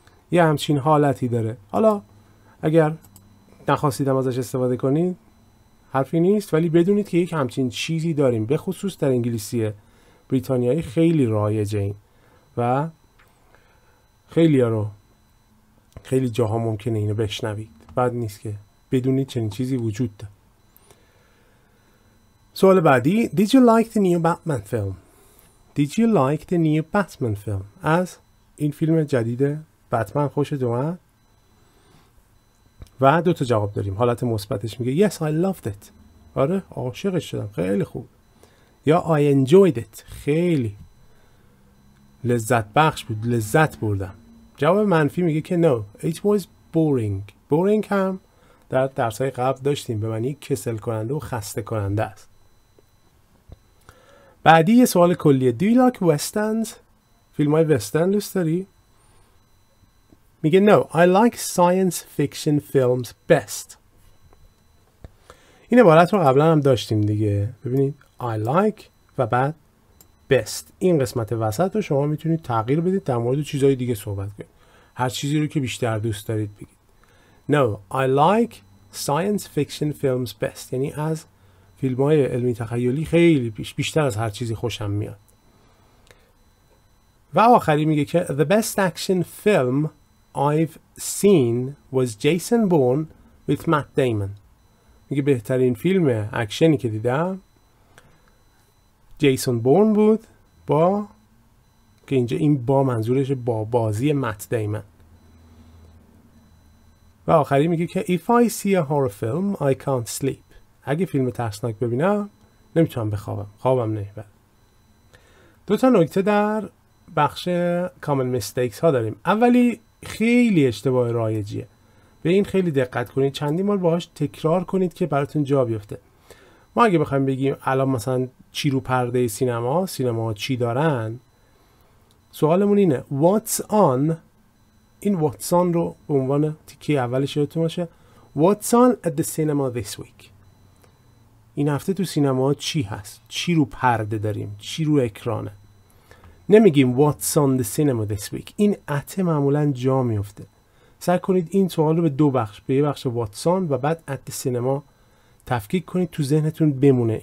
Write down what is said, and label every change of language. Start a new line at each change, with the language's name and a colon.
Persian: یه همچین حالتی داره. حالا اگر نخواستیدم ازش استفاده کنید حرفی نیست، ولی بدونید که یک همچین چیزی داریم، به خصوص در انگلیسی بریتانیایی خیلی رایجه این و خیلی ها رو خیلی جاها ممکنه اینو بشنوید. بد نیست که بدونید چنین چیزی وجود داره. سوال بعدی،
English: Did you like the new Batman film? Did you like the new Batman film?
Persian: از این فیلم جدید بتمن خوشت اومد؟ و دو تا جواب داریم. حالت مثبتش میگه
English: Yes, I loved it.
Persian: آره، عاشقش شدم. خیلی خوب. یا
English: I enjoyed it.
Persian: خیلی لذت بخش بود. لذت بردم. جواب منفی میگه که
English: No, it was boring.
Persian: Boring هم در درسای قبل داشتیم، به معنی کسل کننده و خسته کننده است. بعدی یه سوال کلیه،
English: Do you like westerns؟
Persian: فیلم های western دوست داری؟ میگه
English: No, I like science fiction films best.
Persian: این عبارت رو قبلا هم داشتیم دیگه. ببینید I like و بعد best. این قسمت وسط رو شما میتونید تغییر بدید، در مورد چیزهای دیگه صحبت کنید، هر چیزی رو که بیشتر دوست دارید بگید.
English: No, I like science fiction films best.
Persian: یعنی از فیلم های علمی تخیلی خیلی بیشتر از هر چیزی خوشم میاد. و آخری میگه که
English: The best action film I've seen was Jason Bourne with Matt Damon.
Persian: میگه بهترین فیلم اکشنی که دیدم جیسون بورن بود با، که اینجا این با منظورش با بازی مت دیمن. و آخری میگه که
English: If I see a horror film I can't sleep.
Persian: اگه فیلم ترسناک ببینم نمیتونم بخوابم، خوابم نمیبره. دو تا نکته در بخش common mistakes ها داریم. اولی خیلی اشتباه رایجیه، به این خیلی دقت کنید، چندین بار باهاش تکرار کنید که براتون جا بیفته. ما اگه بخوایم بگیم الان مثلا چی رو پرده سینما، سینما چی دارن، سوالمون اینه What's on. این What's on رو به عنوان تیکه اولش یادتون باشه،
English: What's on at the cinema this week.
Persian: این هفته تو سینما چی هست؟ چی رو پرده داریم؟ چی رو اکرانه؟ نمیگیم
English: What's on the cinema this week.
Persian: این at معمولا جا میفته. سعی کنید این سوال رو به دو بخش، به یه بخش What's on و بعد
English: at the cinema
Persian: تفکیک کنید، تو ذهنتون بمونه.